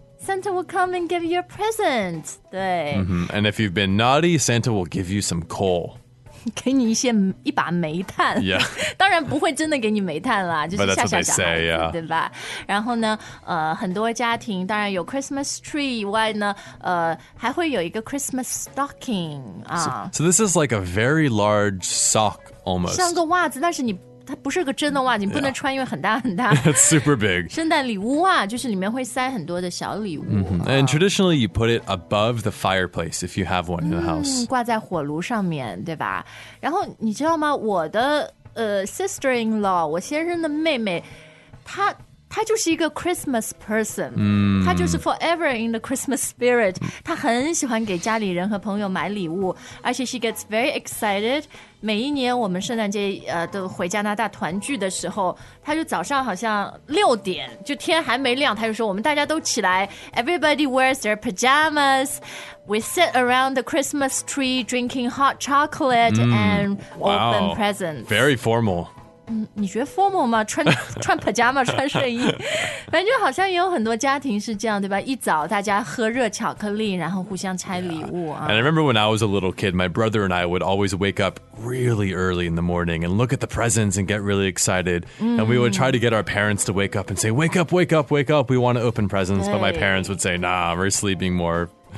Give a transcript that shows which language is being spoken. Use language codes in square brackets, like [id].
[en] Santa will come and give you a present. [zh] 对、 mm-hmm. [en] And if you've been naughty, Santa will give you some coal. [zh] 给你一把煤炭。 Yeah. 当然不会真的给你煤炭啦，就是吓吓小孩子， yeah. 对吧？然后呢，很多家庭当然有 Christmas tree 以外呢，还会有一个 Christmas stocking 啊。 [en] So this is like a very large sock almost. [zh] 像个袜子，但是你。它不是个真的袜子，你不能穿，因为很大很大。 [en] It's super big. [zh] 圣诞礼物袜就是里面会塞很多的小礼物。 [en] And traditionally, you put it above the fireplace if you have one in the house. [zh] 挂在火炉上面，对吧？然后你知道吗？我的sister-in-law， 我先生的妹妹，她就是一个 Christmas person， 她就是 [en] forever in the Christmas spirit。 [zh] 她很喜欢给家里人和朋友买礼物，而且 [en] she gets very excited。 [zh] 每一年我们圣诞节都回加拿大团聚的时候，他就早上好像六点就天还没亮，他就说我们大家都起来 ， [en] everybody wears their pajamas， we sit around the Christmas tree drinking hot chocolate and open presents， wow, very formal。 [zh] 你觉得 formal 吗？穿 pajama 穿睡衣，反正就好像也有很多家庭是这样，对吧？一早大家喝热巧克力，然后互相拆礼物、 yeah. [en] And I remember when I was a little kid, my brother and I would always wake up really early in the morning and look at the presents and get really excited.、Mm-hmm. And we would try to get our parents to wake up and say, "Wake up, wake up, wake up! We want to open presents." But my parents would say, "Nah, we're sleeping more.